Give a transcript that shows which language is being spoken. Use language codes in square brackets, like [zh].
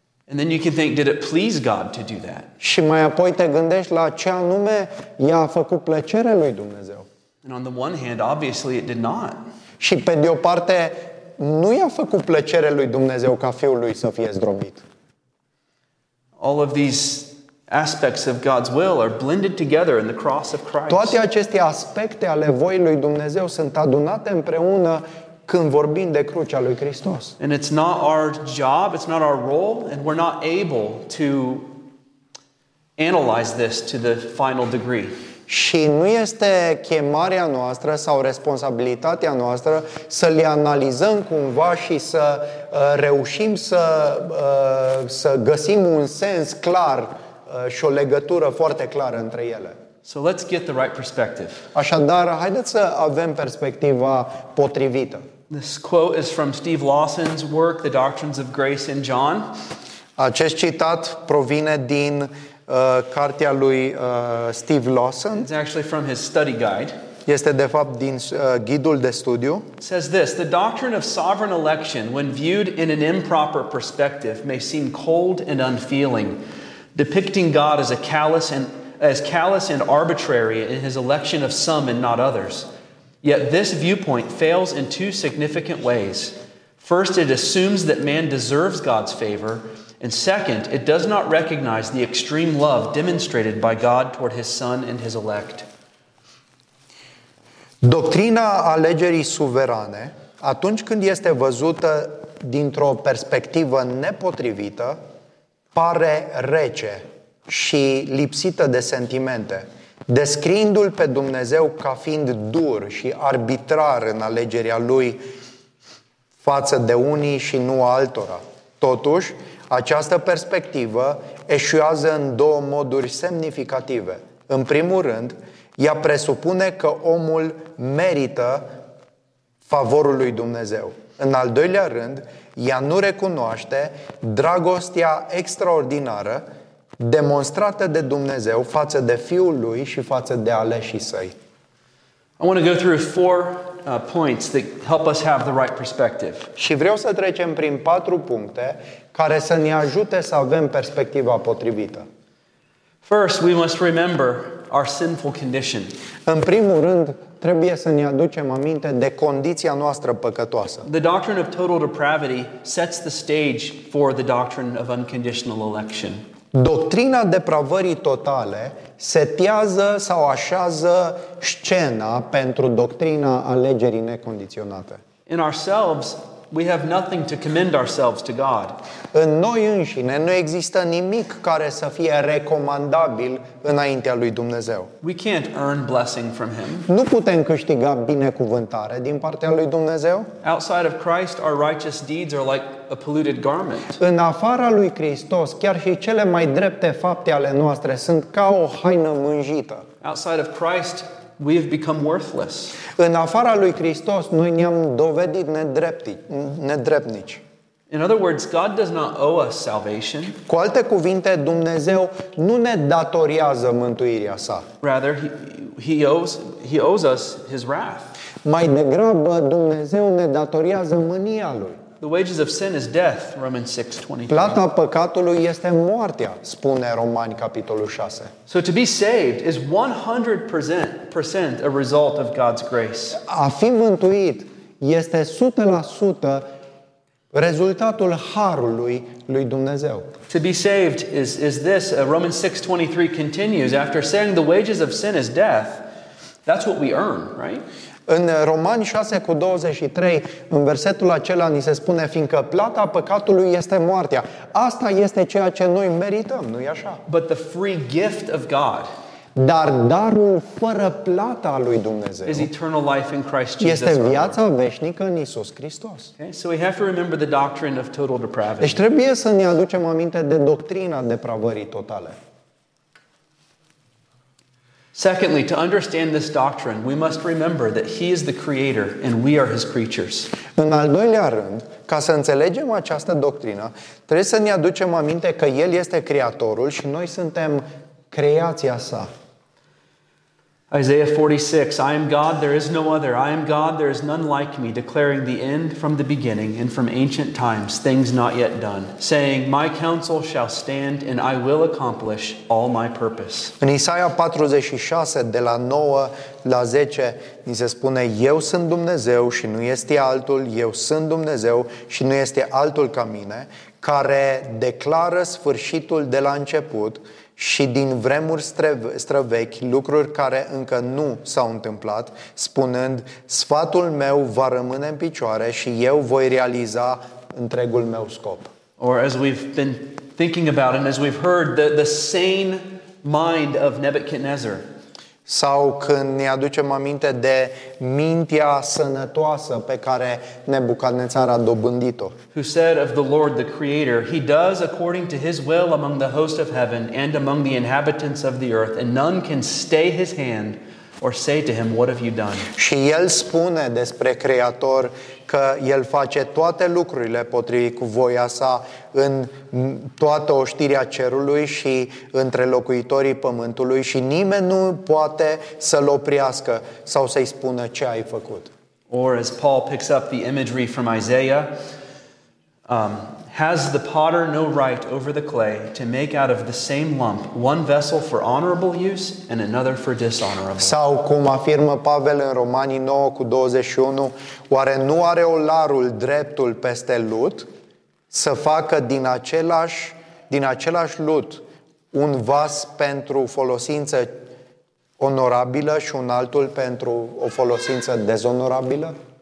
[en] And then you can think, did it please God to do that? [ro] Și mai apoi te gândești la ce anume i-a făcut plăcere lui Dumnezeu. [en] And on the one hand, obviously it did not. [ro] Și pe de o parte, nu i-a făcut plăcere lui Dumnezeu ca fiul lui să fie zdrobit. [en] All of these aspects of God's will are blended together in the cross of Christ. [ro] Toate aceste aspecte ale voii lui Dumnezeu sunt adunate împreună când vorbim de crucea lui Hristos. [en] And it's not our job, it's not our role, and we're not able to analyze this to the final degree. [ro] Și nu este chemarea noastră sau responsabilitatea noastră să le analizăm cumva și să reușim să, să găsim un sens clar și o legătură foarte clară între ele. [en] So let's get the right perspective. [ro] Așadar, haideți să avem perspectiva potrivită. [en] This quote is from Steve Lawson's work, The Doctrines of Grace in John. [ro] Acest citat provine din cartea lui Steve Lawson. [en] It's actually from his study guide. [ro] Este de fapt din ghidul de studiu. [en] It says this: the doctrine of sovereign election, when viewed in an improper perspective, may seem cold and unfeeling, depicting God as a callous and arbitrary in his election of some and not others. Yet this viewpoint fails in two significant ways. First, it assumes that man deserves God's favor. And second, it does not recognize the extreme love demonstrated by God toward his son and his elect. [ro] Doctrina alegerii suverane, atunci când este văzută dintr-o perspectivă nepotrivită, pare rece și lipsită de sentimente, descriindu-l pe Dumnezeu ca fiind dur și arbitrar în alegerea lui față de unii și nu altora. Totuși, această perspectivă eșuează în două moduri semnificative. În primul rând, ea presupune că omul merită favorul lui Dumnezeu. În al doilea rând, ea nu recunoaște dragostea extraordinară demonstrată de Dumnezeu față de fiul lui și față de aleșii săi. [en] I want to go through four points that help us have the right perspective. [ro] Și vreau să trecem prin patru puncte care să ne ajute să avem perspectiva potrivită. [en] First, we must remember our sinful condition. [ro] În primul rând, trebuie să ne aducem aminte de condiția noastră păcătoasă. [en] The doctrine of total depravity sets the stage for the doctrine of unconditional election. [ro] Doctrina depravării totale setează sau așează scena pentru doctrina alegerii necondiționate. [en] In ourselves, we have nothing to commend ourselves to God. [ro] În noi înșine nu există nimic care să fie recomandabil înaintea lui Dumnezeu. [en] We can't earn blessing from him. [ro] Nu putem câștiga binecuvântare din partea lui Dumnezeu. [en] Outside of Christ, our righteous deeds are like a polluted garment. [ro] În afara lui Hristos, chiar și cele mai drepte fapte ale noastre sunt ca o haină mânjită. [en] Outside of Christ, we have become worthless. [ro] În afara lui Hristos, noi ne-am dovedit nedreptnici. [en] In other words, God does not owe us salvation. [ro] Cu alte cuvinte, Dumnezeu nu ne datorează mântuirea sa. [en] Rather, he owes us his wrath. [ro] Mai degrabă, Dumnezeu ne datorează mânia lui. [en] The wages of sin is death, Romans 6:23. [ro] Plata păcatului este moartea, spune Romani capitolul 6. [en] So to be saved is 100% a result of God's grace. [ro] A fi mântuit este 100% rezultatul harului lui Dumnezeu. [en] To be saved is this, Romans 6:23 continues after saying the wages of sin is death. That's what we earn, right? [ro] În Romani 6:23, în versetul acela ni se spune, fiindcă plata păcatului este moartea. Asta este ceea ce noi merităm, nu-i așa? [en] But the free gift of God. [ro] Dar darul fără plata lui Dumnezeu is eternal life in Christ Jesus. Este viața veșnică în Iisus Hristos. [en] Okay? So we have to remember the doctrine of total depravity. [ro] Deci trebuie să ne aducem aminte de doctrina depravării totale. [en] Secondly, to understand this doctrine, we must remember that He is the Creator and we are His creatures. [ro] În al doilea rând, ca să înțelegem această doctrină, trebuie să ne aducem aminte că El este Creatorul și noi suntem creația Sa. [en] Isaiah 46, I am God, there is no other. I am God, there is none like me, declaring the end from the beginning and from ancient times, things not yet done, saying, my counsel shall stand and I will accomplish all my purpose. [ro] În Isaia 46, de la 9 la 10, ni se spune, eu sunt Dumnezeu și nu este altul, eu sunt Dumnezeu și nu este altul ca mine, care declară sfârșitul de la început, și din vremuri străvechi, lucruri care încă nu s-au întâmplat, spunând, sfatul meu va rămâne în picioare și eu voi realiza întregul meu scop. [en] Or as we've been thinking about and as we've heard, the sane mind of Nebuchadnezzar. [ro] Sau când ne aducem aminte de mintea sănătoasă pe care Nebucadnețar a dobândit-o. [en] Who said of the Lord the Creator, He does according to His will among the host of heaven and among the inhabitants of the earth, and none can stay His hand or say to Him, what have you done? [ro] Și El spune despre Creator că El face toate lucrurile potrivit cu voia Sa în toată oștirea cerului și între locuitorii pământului și nimeni nu poate să-L oprească sau să-I spună ce ai făcut. [en] Or as Paul picks up the imagery from Isaiah, has the potter no right over the clay to make out of the same lump one vessel for honorable use and another for dishonorable? [ro] Sau cum afirmă Pavel în Romanii 9:21, oare nu are olarul dreptul peste lut să facă din același lut un vas pentru folosință onorabilă și un altul pentru o folosință dezonorabilă?